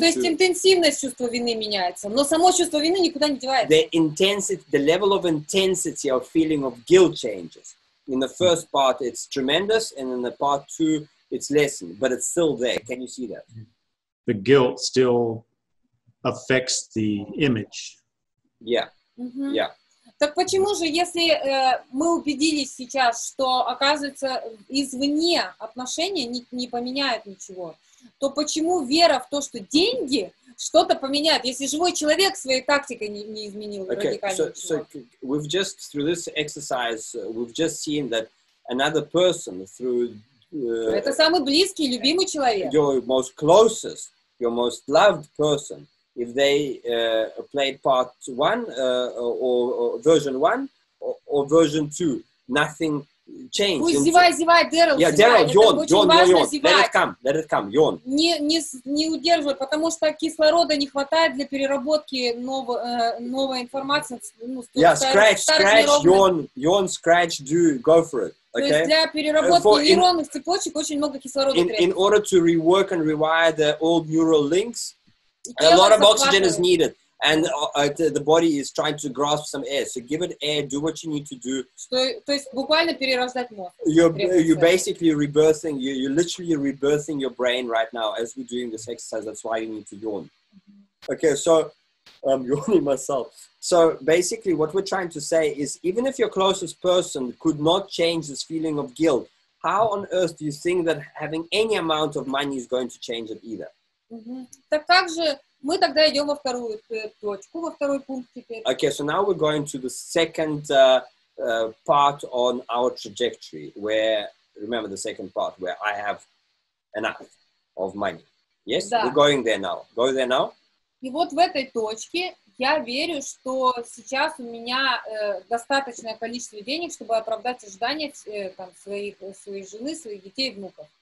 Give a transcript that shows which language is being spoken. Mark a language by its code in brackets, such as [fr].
[ru] to... То есть интенсивность чувства вины меняется, но само чувство вины никуда не девается. [en] The level of intensity of feeling of guilt changes. In the first part, it's tremendous, and in the part two, it's lessened, but it's still there. Can you see that? The guilt still affects the image. Yeah. Mm-hmm. Yeah. [ru] Так почему же, если мы убедились сейчас, что оказывается извне отношения не поменяют ничего, то почему вера в то, что деньги что-то поменяют, если живой человек своей тактикой не изменил [en] okay. [ru] радикально? [en] So we've just through this exercise we've just seen that another person through [ru] это самый близкий, любимый человек. [en] Your most closest, your most loved person, if they played part one or version one or version two, nothing changed. [ru] Пусть зевает, Дэрил. [en] Yeah, Дэрил, yawn. Let it come, yawn. [ru] Не удерживай, потому что кислорода не хватает для переработки новой информации. Ну, [en] scratch, yawn, scratch, do, go for it. Okay. [ru] То есть для переработки нейронных цепочек очень много кислорода требуется. [en] In order to rework and rewire the old neural links, a lot of oxygen is needed. And the body is trying to grasp some air. So give it air, do what you need to do. [ru] То есть буквально перерождать мозг. [en] You're basically rebirthing, you're literally rebirthing your brain right now as we're doing this exercise. That's why you need to yawn. Okay, so I'm yawning myself. So basically what we're trying to say is, even if your closest person could not change this feeling of guilt, how on earth do you think that having any amount of money is going to change it either? Mm-hmm. [ru] Так как же мы тогда идем во вторую точку, во второй пункт теперь? [en] Okay, so now we're going to the second part on our trajectory, where, remember the second part, where I have enough of money. Yes? [ru] Да. [en] We're going there now. Go there now. [ru] И вот в этой точке я верю, что сейчас у меня достаточное количество денег, чтобы оправдать ожидания там, своей жены, своих детей и внуков.